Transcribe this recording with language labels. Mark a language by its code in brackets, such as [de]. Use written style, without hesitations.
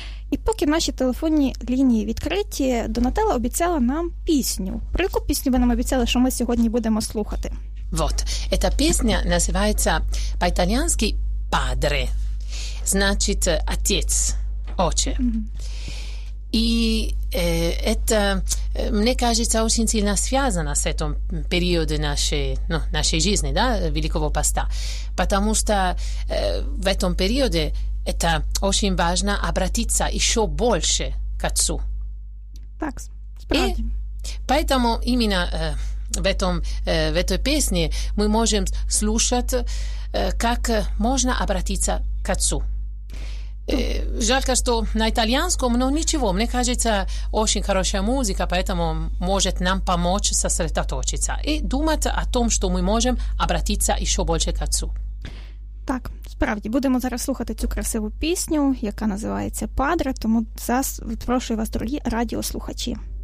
[uk] І поки наші телефонні лінії відкриті, Донателла обіцяла нам пісню. Про яку пісню ви нам обіцяли, що ми сьогодні будемо слухати? Вот, ця пісня називається по-італіянськи «Падре», значить «отець», «отче». [ru] И это, мне кажется, очень сильно связано с этим периодом нашей, ну, нашей жизни, да, Великого Поста. Потому что в этом периоде это очень важно обратиться еще больше к Отцу. [uk] Так, справедливо. [ru] Поэтому именно в этой песне мы можем слушать, как можно обратиться к Отцу. Жалко, что на итальянском, но ничего, мне кажется, очень хорошая музыка, поэтому может нам помочь сосредоточиться и думать о том, что мы можем обратиться еще больше к Отцу. [uk] Так, справді, будемо зараз слухати цю красиву пісню, яка називається «Падре», тому запрошую вас, дорогі радіослухачі.